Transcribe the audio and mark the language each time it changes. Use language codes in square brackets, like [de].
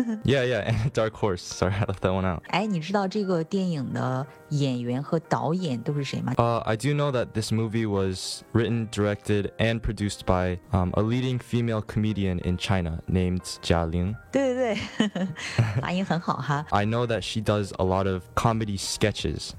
[en] yeah, yeah, and a dark horse. Sorry, I left that one out. [zh] 哎，你知道这个电影的演员和导演都是谁吗？ [en] I do know that this movie was written, directed, and produced by a leading female comedian in China named Jia Ling. [zh] 对对对，发音很好哈。 [en] I know that she does a lot of comedy sketches.